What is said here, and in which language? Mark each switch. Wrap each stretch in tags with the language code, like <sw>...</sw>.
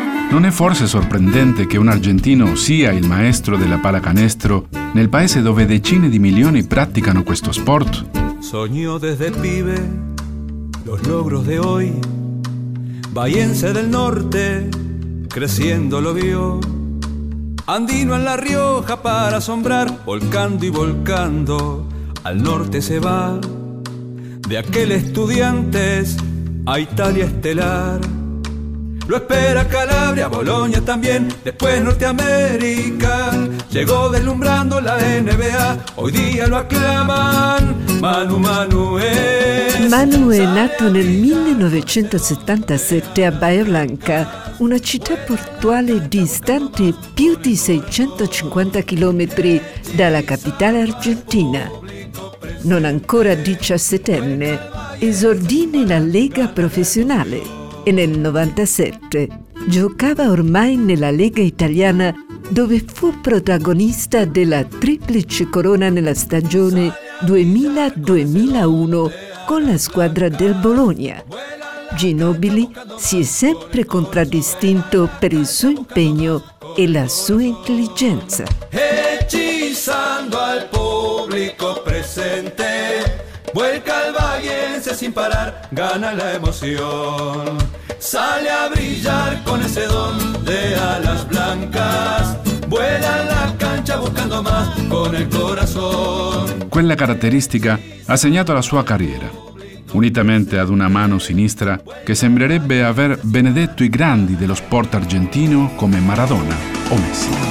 <it>Non è forse sorprendente che un argentino sia il maestro della pallacanestro nel paese dove decine di milioni praticano questo sport?</it> <es>Sogno desde pibe los logros de hoy. Bahiense del norte creciendo lo vio. Andino en la Rioja para asombrar, volcando y volcando al norte se va. De aquel estudiantes a Italia estelar. Lo espera Calabria, Bologna también, después Norteamérica. Llegó deslumbrando la NBA, hoy día lo aclaman. Manu, Manu es...</es> <it>Manu è nato nel 1977 a Bahia Blanca, una città portuale distante più di 650 chilometri dalla capitale argentina. Non ancora 17enne, esordì nella Lega Professionale. E nel 97 giocava ormai nella Lega Italiana, dove fu protagonista della triplice corona nella stagione 2000-2001 con la squadra del Bologna. Ginobili si è sempre contraddistinto per il suo impegno e la sua intelligenza.</it> <es>Hechizando al pubblico presente, vuelca il Valiense sin parar, gana la emoción. Sale a brillar con ese don de alas blancas. Vuela la cancha buscando más con el corazón.</es> <it>Quella caratteristica ha segnato la sua carriera, unitamente ad una mano sinistra che sembrerebbe aver benedetto i grandi dello sport argentino come Maradona o Messi.</it>